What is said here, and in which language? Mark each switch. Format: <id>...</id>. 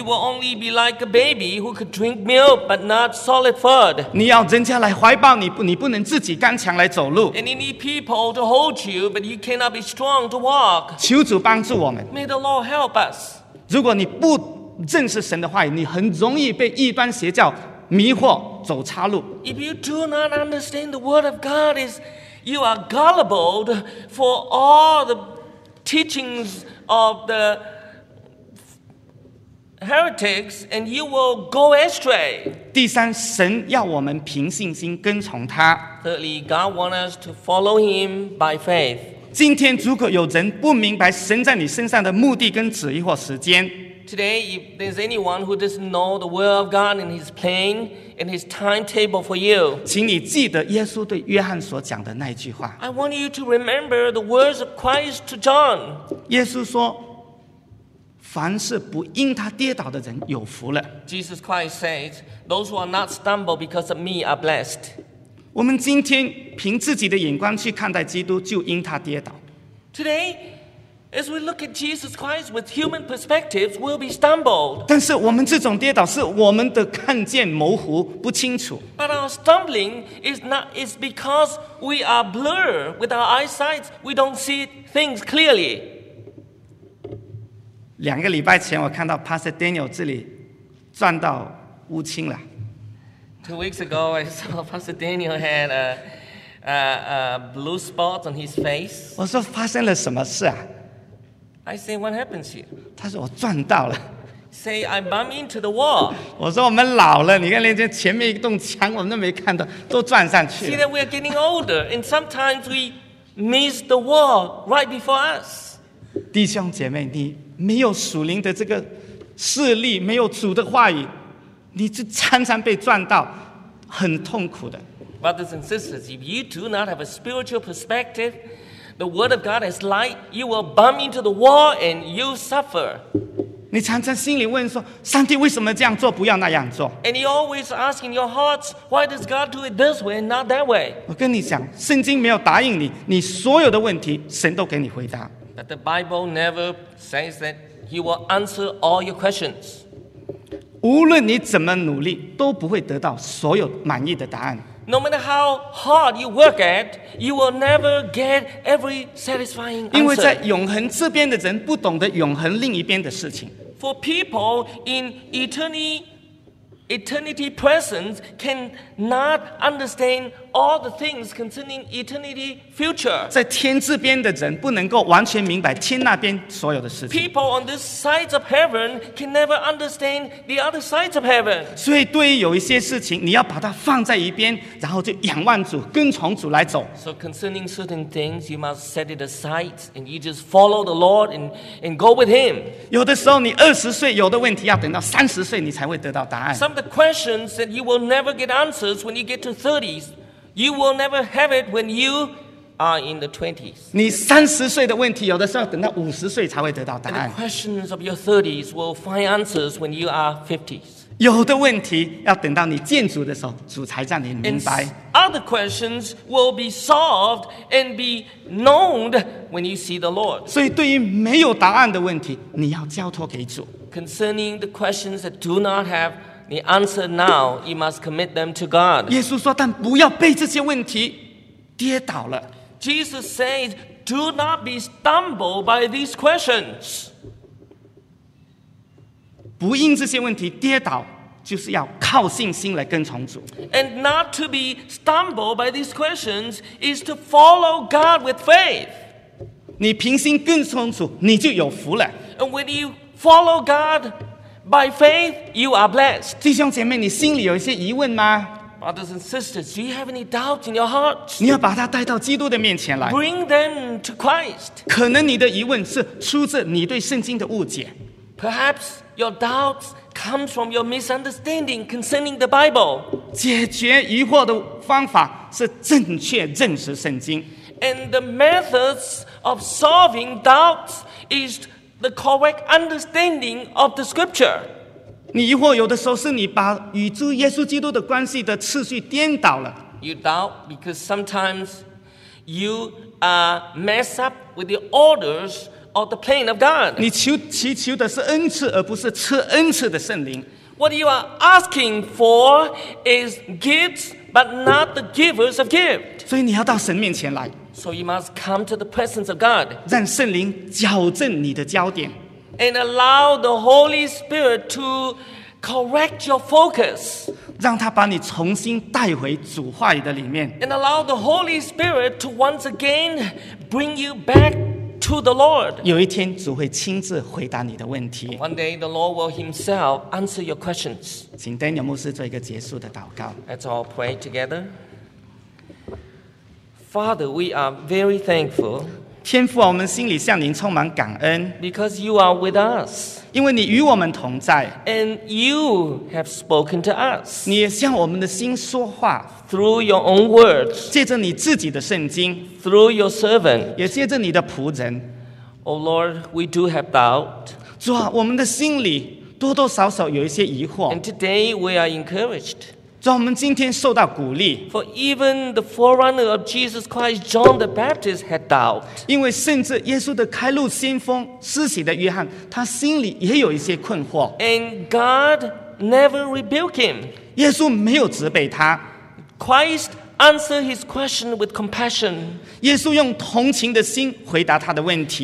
<en>You will only be like a baby who could drink milk but not solid food.</en> <zh>你要人家来怀抱你，你不能自己刚强来走路。</zh> <en>And you need people to hold you, but you cannot be strong to walk.</en> <zh>求主帮助我们。</zh> <en>May the Lord help us.</en> <zh>如果你不认识神的话，你很容易被异端邪教迷惑走岔路。</zh> <en>If you do not understand the word of God, is you are gullible for all the teachings of the heretics, and you will go astray.</en> <zh>第三，神要我们凭信心跟从他。</zh> <en>Thirdly, God wants us to follow Him by faith.</en> <zh>今天如果有人不明白神在你身上的目的跟旨意或时间。</zh> <en>Today, if there's anyone who doesn't know the word of God and His plan and His timetable for you,</en> <zh>请你记得耶稣对约翰所讲的那句话。</zh> <en>I want you to remember the words of Christ to John.</en> <zh>耶稣说，凡是不因他跌倒的人有福了。</zh> <en>Jesus Christ says, "Those who are not stumbled because of me are blessed."</en> <zh>我们今天凭自己的眼光去看待基督，就因他跌倒。</zh> <en>Today, as we look at Jesus Christ with human perspectives, we'll be stumbled.</en> <zh>但是我们这种跌倒是我们的看见模糊不清楚。</zh> <en>But our stumbling is because we are blurred with our eyesight. We don't see things clearly.</en> <zh>两个礼拜前我看到 Pastor Daniel 这里赚到乌青了。</zh> <en>Two weeks ago, I saw Pastor Daniel had a blue spot on his face.</en> <zh>我说发生了什么事啊？</zh> <en>I say, what happens here?</en> <zh>他说我赚到了。</zh> <en>Say, I bump into the wall.</en> <zh>我说我们老了，你看连前面一栋墙我们都没看到，都撞上去了。</zh> <en>See that we are getting older, and sometimes we miss the wall right before us.</en> <zh>弟兄姐妹，你没有属灵的这个势力，没有主的话语，你就常常被撞到，很痛苦的。</zh> <en>Brothers and sisters, if you do not have a spiritual perspective, the word of God is light. You will bump into the wall and you suffer.</en> <zh>你常常心里问说，上帝为什么这样做，不要那样做？</zh> <en>And you always ask in your hearts, why does God do it this way and not that way?</en> <zh>我跟你讲，圣经没有答应你，你所有的问题，神都给你回答。</zh> <en>But the Bible never says that He will answer all your questions.</en> <zh>无论你怎么努力，都不会得到所有满意的答案。</zh> <en>No matter how hard you work at, you will never get every satisfying answer.</en> <zh>因为在永恒这边的人不懂得永恒另一边的事情。</zh> <en>For people in eternity present cannot understand all the things concerning eternity future.</en> <zh>在天这边的人不能够完全明白天那边所有的事情。</zh> <en>People on this side of heaven can never understand the other side of heaven.</en> <zh>所以对于有一些事情你要把它放在一边然后就仰望主跟从主来走。</zh> <en>So concerning certain things you must set it aside and you just follow the Lord and go with Him.</en> <zh>有的时候你二十岁有的问题要等到三十岁你才会得到答案。</zh> <en>Some of the questions that you will never get answers when you get to 30s, You will never have it when you are in the 20s.</en> <zh>你三十岁的问题，有的时候等到五十岁才会得到答案。</zh> <en>And the questions of your 30s will find answers when you are 50s.</en> <zh>有的问题要等到你见主的时候，主才让你明白。</zh> <en>And other questions will be solved and be known when you see the Lord.</en> <zh>所以对于没有答案的问题，你要交托给主。</zh> <en>Concerning the questions that do not have the answer now, you must commit them to God.</en> <zh>耶稣说，但不要被这些问题跌倒了。</zh> <en>Jesus says, do not be stumbled by these questions.</en> <zh>不因这些问题跌倒，就是要靠信心来跟从主。</zh> <en>And not to be stumbled by these questions is to follow God with faith.</en> <zh>你凭信跟从主，你就有福了。</zh> <en>And when you follow God by faith, you are blessed.</en> <zh>弟兄姐妹，你心里有一些疑问吗？</zh> <en>Brothers and sisters, do you have any doubts in your heart?</en> <zh>你要把它带到基督的面前来。</zh> <en>Bring them to Christ.</en> <zh>可能你的疑问是出自你对圣经的误解。</zh> <en>Perhaps your doubts come from your misunderstanding concerning the Bible.</en> <zh>解决疑惑的方法是正确认识圣经。</zh> <en>And the methods of solving doubts is the correct understanding of the Scripture.</en> <zh>你疑惑有的时候是你把与主耶稣基督的关系的次序颠倒了。</zh> <en>You doubt because sometimes you mess up with the orders of the plan of God.</en> <zh>你祈求的是恩赐，而不是赐恩赐的圣灵。</zh> <en>What you are asking for is gifts, but not the givers of gift.</en> <zh>所以你要到神面前来。</zh> <en>So you must come to the presence of God.</en> <zh>让圣灵矫正你的焦点。</zh> <en>And allow the Holy Spirit to correct your focus.</en> <zh>让他把你重新带回主话语的里面。</zh> <en>And allow the Holy Spirit to once again bring you back to the Lord.</en> <zh>有一天主会亲自回答你的问题。</zh> <en>One day the Lord will himself answer your questions.</en> <zh>请 Daniel 牧师做一个结束的祷告。</zh> <en>Let's all pray together. Father, we are very thankful.</en> <zh>天父啊，我们心里向您充满感恩。</zh> <en>Because you are with us.</en> <zh>因为你与我们同在。</zh> <en>And you have spoken to us.</en> <zh>你也向我们的心说话。</zh> <en>Through your own words.</en> <zh>借着你自己的圣经。</zh> <en>Through your servant.</en> <zh>也借着你的仆人。</zh> <en>Oh Lord, we do have doubt.</en> <zh>主啊，我们的心里多多少少有一些疑惑。</zh> <en>And today we are encouraged.</en> <zh>主，我们今天受到鼓励。</zh> <en>For even the forerunner of Jesus Christ, John the Baptist had doubt.</en> <zh>因为甚至耶稣的开路先锋施洗的约翰，他心里也有一些困惑。</zh> <en>And God never rebuked him.</en> <zh>耶稣没有责备他。</zh> <en>Christ answered his question with compassion.</en> <zh>耶稣用同情的心回答他的问题。</zh>